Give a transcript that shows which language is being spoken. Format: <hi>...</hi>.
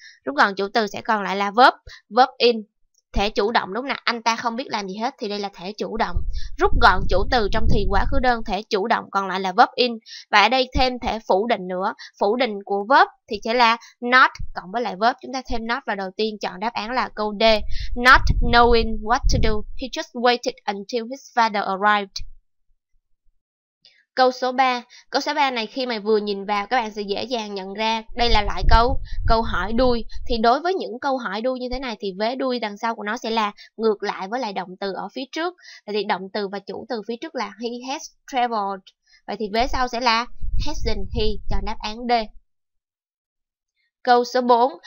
<vi>Rút gọn chủ từ sẽ còn lại là verb, verb in, thể chủ động lúc nào anh ta không biết làm gì hết thì đây là thể chủ động. Rút gọn chủ từ trong thì quá khứ đơn, thể chủ động còn lại là verb in. Và ở đây thêm thể phủ định nữa, phủ định của verb thì sẽ là not cộng với lại verb. Chúng ta thêm not vào đầu tiên, chọn đáp án là câu D.</vi> <en>Not knowing what to do, he just waited until his father arrived.</en> <vi>Câu số 3. Câu số 3 này khi mà vừa nhìn vào các bạn sẽ dễ dàng nhận ra đây là loại câu, câu hỏi đuôi. Thì đối với những câu hỏi đuôi như thế này thì vế đuôi đằng sau của nó sẽ là ngược lại với lại động từ ở phía trước. Vậy thì động từ và chủ từ phía trước là</vi> <en>he has traveled.</en> <vi>Vậy thì vế sau sẽ là</vi> <en>hasn't he,</en> <vi>cho đáp án D. Câu số 4.</vi>